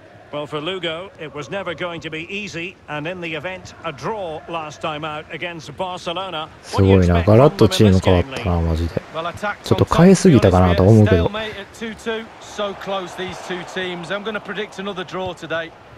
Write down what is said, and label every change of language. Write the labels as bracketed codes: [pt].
[en] Well, for Lugo, it was never going to be easy, and in the event, a draw last time out against Barcelona. [ja] すごいな、ガラッとチーム変わったな、マジで。ちょっと変えすぎたかなと思うけど。 [en] So close, these two teams. I'm going to predict another draw today.